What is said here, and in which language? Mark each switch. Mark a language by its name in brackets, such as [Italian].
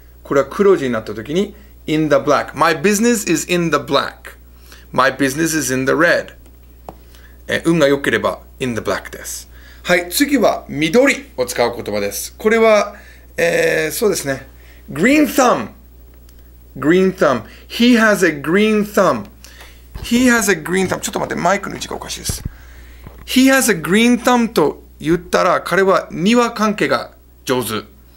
[Japanese] これは黒字になった時に [English] in the black。 My business is in the black。 My business is in the red。 [Japanese] 運が良ければ [English] in the black [Japanese] です。はい、次は緑を使う言葉です。これは、そうですね、 [English] green thumbGreen thumb. He has a green thumb. He has a green thumb. [Japanese] ちょっと待って、マイクの位置がおかしいです。 [English] He has a green thumb [Japanese] と言ったら、彼は庭関係が上手。